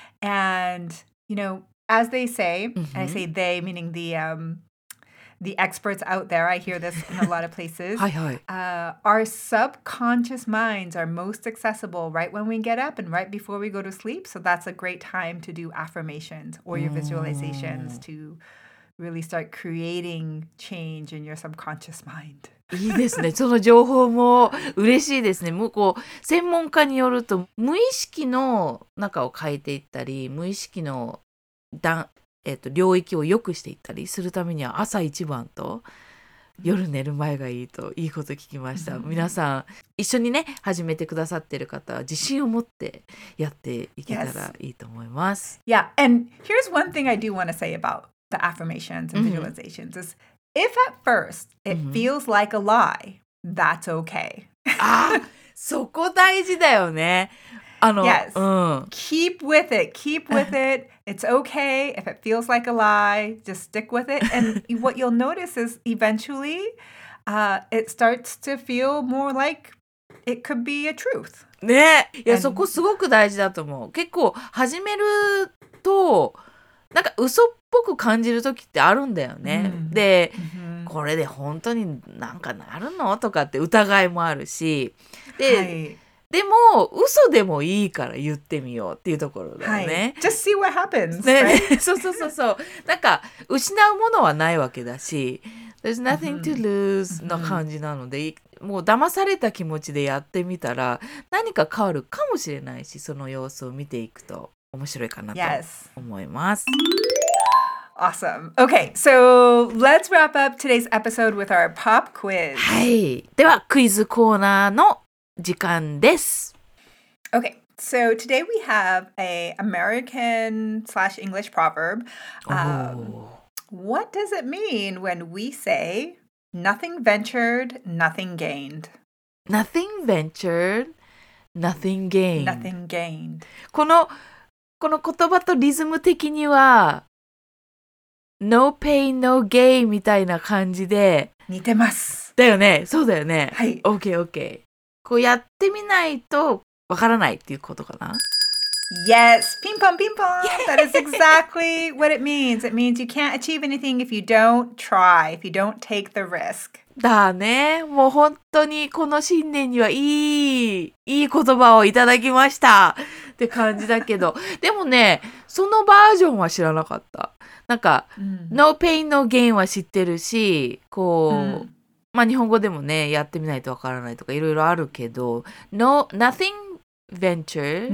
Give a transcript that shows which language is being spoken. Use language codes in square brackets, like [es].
[en] And, you know, as they say, and I say they, meaning the experts out there, I hear this in a lot of places, our subconscious minds are most accessible right when we get up and right before we go to sleep. So that's a great time to do affirmations or your visualizations to really start creating change in your subconscious mind. [ja] いいですね。その情報も嬉しいですね。もうこう、専門家によると、無意識の中を変えていったり、無意識の領域を良くしていったりするためには朝一番と夜寝る前がいいといいこと聞きました、うん、皆さん一緒にね始めてくださっている方は自信を持ってやっていけたらいいと思います、 [en] yes. Yeah, and here's one thing I do want to say about the affirmations and visualizations、mm-hmm. is if at first it feels like a lie, that's okay. あ、そこ大事だよね。 Yes, keep with it, keep with it. It's okay if it feels like a lie, just stick with it. And what you'll notice is eventually it starts to feel more like it could be a truth. [ja] ね、いや、そこすごく大事だと思う。結構始めるとなんか嘘っぽく感じる時ってあるんだよね。で、これで本当になんかなるの？とかって疑いもあるし。で、でも嘘でもいいから言ってみようっていうところだよね。はい、 [en] Just see what happens.、 [ja] ね、そうそうそうそう。なんか失うものはないわけだし、 [en] There's nothing to lose [ja] の感じなので、もう騙された気持ちでやってみたら何か変わるかもしれないし、その様子を見ていくと面白いかなと思います。 [en] Yes. Awesome. Okay, so let's wrap up today's episode with our pop quiz. [ja] はい。ではクイズコーナーの時間です。 [en] Okay, so today we have a American / English proverb. What does it mean when we say nothing ventured, nothing gained? Nothing ventured, nothing gained. Nothing gained. [ja] この言葉とリズム的には [en] No pain, no gain [ja] みたいな感じで似てます。だよね、そうだよね。はい。 [en] Okay, okay. [ja] こうやってみないとわからないっていうことかな。 [en] Yes, ping pong, ping pong. That is exactly what it means. It means you can't achieve anything if you don't try, if you don't take the risk. [ja] だね。もう本当にこの新年にはいい言葉をいただきましたって感じだけど、でもね、そのバージョンは知らなかった。なんか、 [en] No pain, no gain [ja] は知ってるし、こう。まあ日本語でもね、やってみないとわからないとかいろいろあるけど、 [en] No, nothing ventured.